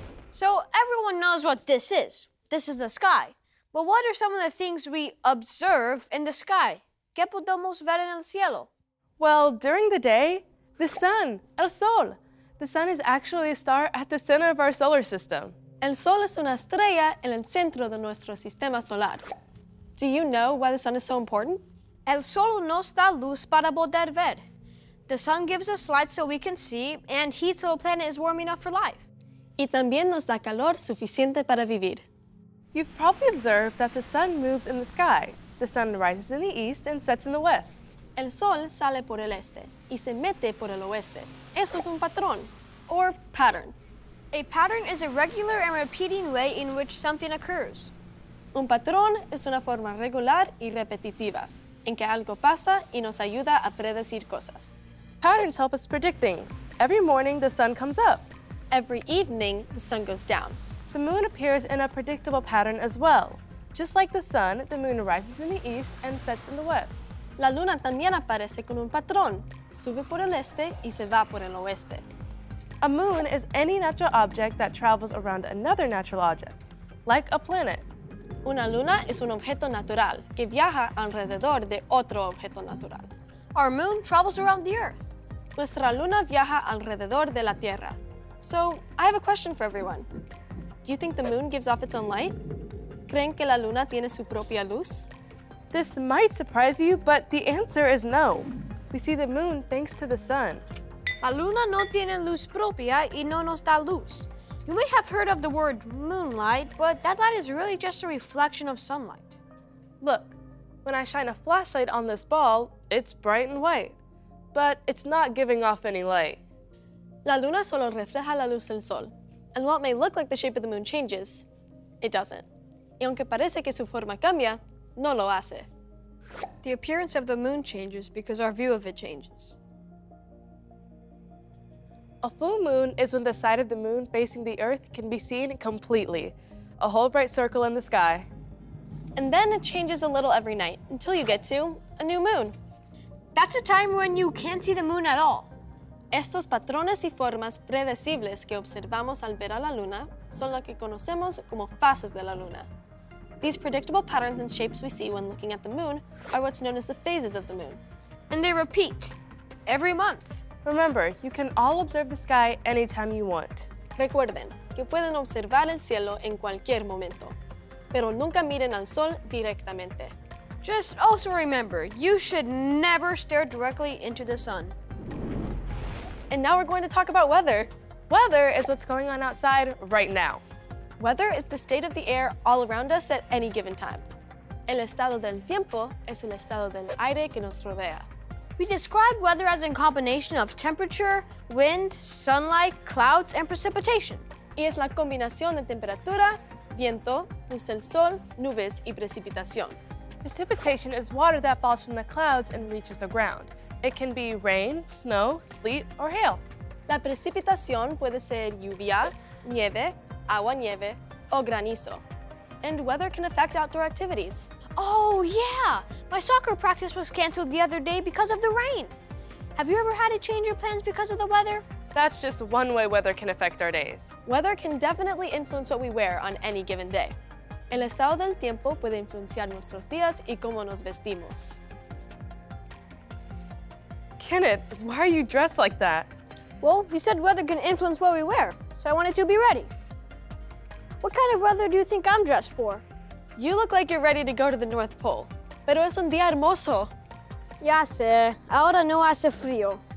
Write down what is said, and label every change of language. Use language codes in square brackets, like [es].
[en] So everyone knows what this is. This is the sky. But what are some of the things we observe in the sky? [es] ¿Qué podemos ver en el cielo? [en] Well, during the day, the sun, el sol. The sun is actually a star at the center of our solar system. [es] El sol es una estrella en el centro de nuestro sistema solar. [en] Do you know why the sun is so important? [es] El sol nos da luz para poder ver. [en] The sun gives us light so we can see and heat so the planet is warm enough for life. [es] Y también nos da calor suficiente para vivir. [en] You've probably observed that the sun moves in the sky. The sun rises in the east and sets in the west. [es] El sol sale por el este y se mete por el oeste. Eso es un patrón, [en] or pattern. A pattern is a regular and repeating way in which something occurs. Un patrón es una forma regular y repetitiva en que algo pasa y nos ayuda a predecir cosas. Patterns help us predict things. Every morning, the sun comes up. Every evening, the sun goes down. The moon appears in a predictable pattern as well. Just like the sun, the moon rises in the east and sets in the west. [es] La luna también aparece con un patrón. Sube por el este y se va por el oeste. [en] A moon is any natural object that travels around another natural object, like a planet. [es] Una luna es un objeto natural que viaja alrededor de otro objeto natural. [en] Our moon travels around the Earth. [es] Nuestra luna viaja alrededor de la Tierra. [en] So, I have a question for everyone. Do you think the moon gives off its own light? [es] ¿Creen que la luna tiene su propia luz? [en] This might surprise you, but the answer is no. We see the moon thanks to the sun. [es] La luna no tiene luz propia y no nos da luz. [en] You may have heard of the word moonlight, but that light is really just a reflection of sunlight. Look, when I shine a flashlight on this ball, it's bright and white, but it's not giving off any light. [es] La luna solo refleja la luz del sol, [en] and while it may look like the shape of the moon changes, it doesn't. [es] Y aunque parece que su forma cambia, no lo hace. [en] The appearance of the moon changes because our view of it changes. A full moon is when the side of the moon facing the Earth can be seen completely, a whole bright circle in the sky. And then it changes a little every night until you get to a new moon. That's a time when you can't see the moon at all. [es] Estos patrones y formas predecibles que observamos al ver a la luna son lo que conocemos como fases de la luna. [en] These predictable patterns and shapes we see when looking at the moon are what's known as the phases of the moon. And they repeat every month. Remember, you can all observe the sky anytime you want. [es] Recuerden que pueden observar el cielo en cualquier momento, pero nunca miren al sol directamente. [en] Just also remember, you should never stare directly into the sun. And now we're going to talk about weather. Weather is what's going on outside right now. Weather is the state of the air all around us at any given time. [es] El estado del tiempo es el estado del aire que nos rodea. [en] We describe weather as a combination of temperature, wind, sunlight, clouds, and precipitation. [es] Y es la combinación de temperatura, viento, luz del sol, nubes, y precipitación. [en] Precipitation is water that falls from the clouds and reaches the ground. It can be rain, snow, sleet, or hail. [es] La precipitación puede ser lluvia, nieve, agua nieve, o granizo. [en] And weather can affect outdoor activities. Oh, yeah! My soccer practice was canceled the other day because of the rain. Have you ever had to change your plans because of the weather? That's just one way weather can affect our days. Weather can definitely influence what we wear on any given day. [es] El estado del tiempo puede influenciar nuestros días y cómo nos vestimos. [en] Kenneth, why are you dressed like that? Well, you said weather can influence what we wear, so I wanted to be ready. What kind of weather do you think I'm dressed for? You look like you're ready to go to the North Pole. [es] Pero es un día hermoso. Ya sé. Ahora no hace frío.